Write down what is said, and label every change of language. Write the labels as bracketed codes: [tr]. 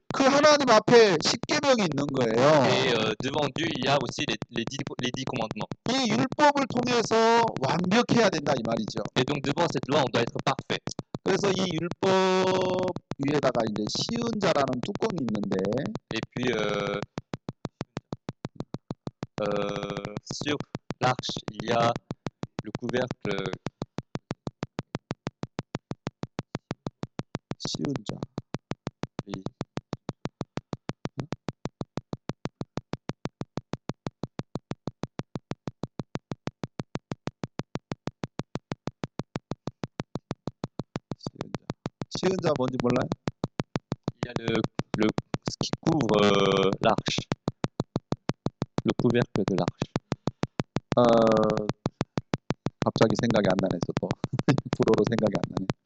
[ko] 그 하나님 앞에 십계명이 있는 거예요. [fr] Et devant Dieu il y a aussi les dix commandements. [ko] 이 율법을 통해서 완벽해야 된다 이 말이죠. [fr] Et donc devant cette loi on doit être parfait. [ko] 그래서 이 율법 위에다가 이제 쉬운 자라는 뚜껑이 있는데. [fr] Et puis sur l'arche il y a le couvercle Siunja. Siunja. [ko] Siunja, 뭔지 몰라요? [fr] Il y a le ce qui couvre l'arche. Le couvercle de l'arche. [ko] 갑자기 생각이 안 나네, 또. 불어로 생각이 안 나네.